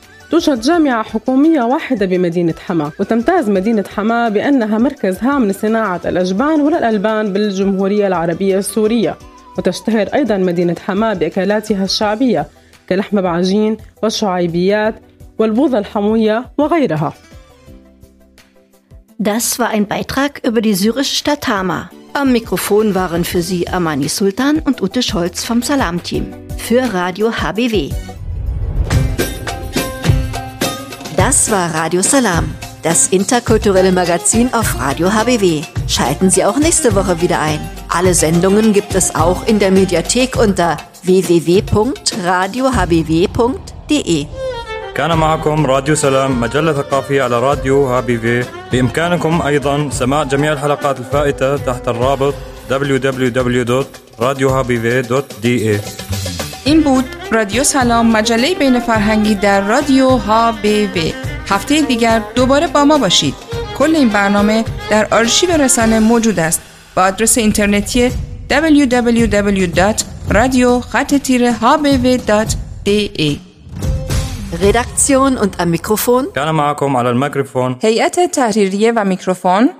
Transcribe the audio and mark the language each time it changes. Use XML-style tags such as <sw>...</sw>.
<ar>توجد جامعة حكومية واحدة بمدينة حما وتمتاز مدينة حما بأنها مركز هام لصناعة الأجبان والألبان بالجمهورية العربية السورية وتشتهر أيضا مدينة حما بأكلاتها الشعبية كلحم بعجين والشعيبيات والبوظة الحموية وغيرها.</ar> <de>Das war ein Beitrag über die syrische Stadt Hama. Am Mikrofon waren für Sie Amani Sultan und Ute Scholz vom Salam-Team für Radio HBW. Das war Radio Salam, das interkulturelle Magazin auf Radio HBW. Schalten Sie auch nächste Woche wieder ein. Alle Sendungen gibt es auch in der Mediathek unter www.radiohbw.de.</de> <ar>كان معكم راديو سلام مجلة ثقافية على راديو هابي في. بإمكانكم أيضا سماع جميع الحلقات الفائتة تحت الرابط www.radiohbv.de.</ar> <fa>این بود رادیو سلام مجله بین فرهنگی در رادیو هابی وی. هفته دیگر دوباره با ما باشید. کل این برنامه در آرشیو رسانه موجود است با آدرس اینترنتی www.radio-hbw.de.</fa> <de>Redaktion und am Mikrofon.</de> <ar>Gerne معكم على الميكروفون. هيئة التحريرية وميكروفون.</ar>